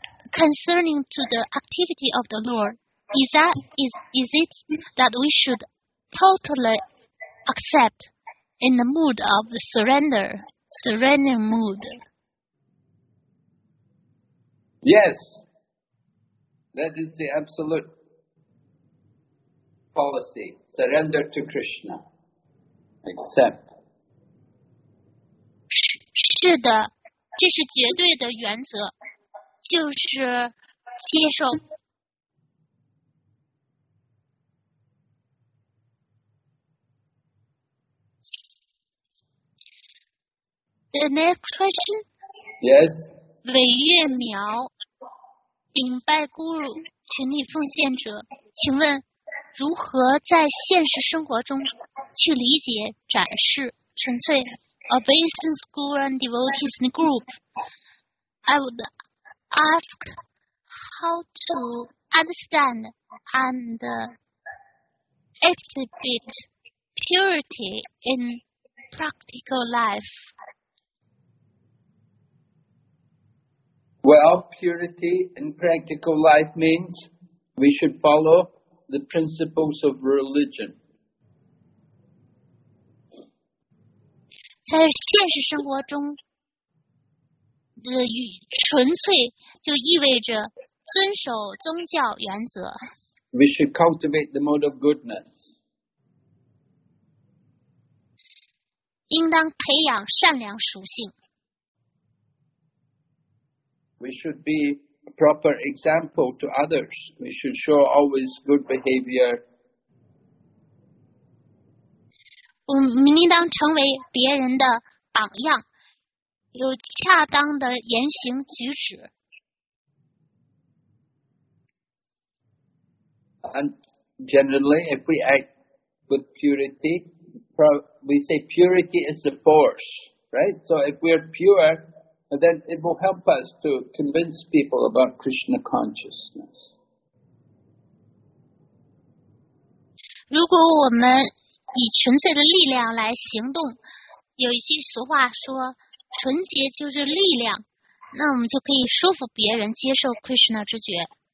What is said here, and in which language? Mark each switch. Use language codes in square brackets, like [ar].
[en] Concerning to the activity of the Lord, is it that we should totally accept in the mood of surrender, surrender mood? Yes, that is the absolute policy, surrender to Krishna, accept. [zh] 是的，这是绝对的原则，就是接受。 [en] The next question? Yes. [zh] 韦月苗。顶拜孤乳群体奉献者，请问如何在现实生活中去理解展示纯粹 [en] Obeisance Guru and Devotees in Group? I would ask how to understand and exhibit purity in practical life. Well, purity in practical life means we should follow the principles of religion. [zh] 在现实生活中，纯粹就意味着遵守宗教原则。 [en] We should cultivate the mode of goodness. [zh] 应当培养善良属性。 [en] We should be a proper example to others. We should show always good behavior. We should become others' example. Have appropriate behavior. And generally, if we act with purity, we say purity is a force, right? So if we are pure,And then it will help us to convince people about Krishna consciousness. [zh] 如果我们以纯粹的力量来行动，有一句俗话说，纯洁就是力量，那我们就可以说服别人接受 Krishna 之觉。